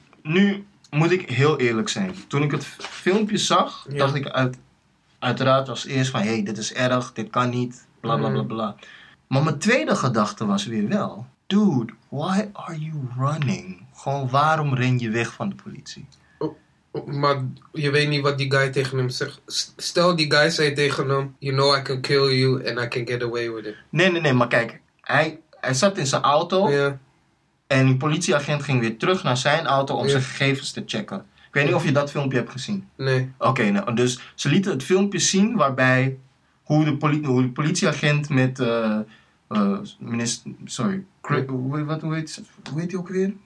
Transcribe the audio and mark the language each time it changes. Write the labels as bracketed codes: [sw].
[nl] Nu moet ik heel eerlijk zijn. Toen ik het filmpje zag, ja, dacht ik uiteraard als eerst van, hey, dit is erg, dit kan niet, bla bla bla bla. Maar mijn tweede gedachte was weer wel, [en] dude, why are you running? [nl] Gewoon, waarom ren je weg van de politie? Maar je weet niet wat die guy tegen hem zegt. Stel, die guy zei tegen hem, [en] you know I can kill you and I can get away with it. [nl] Nee, maar kijk, hij zat in zijn auto, [en] yeah, [nl] en die politieagent ging weer terug naar zijn auto om, yeah, zijn gegevens te checken. Ik weet niet of je dat filmpje hebt gezien. Nee. Oké, okay, nou, dus ze lieten het filmpje zien waarbij hoe de politieagent met hoe heet hij ook weer?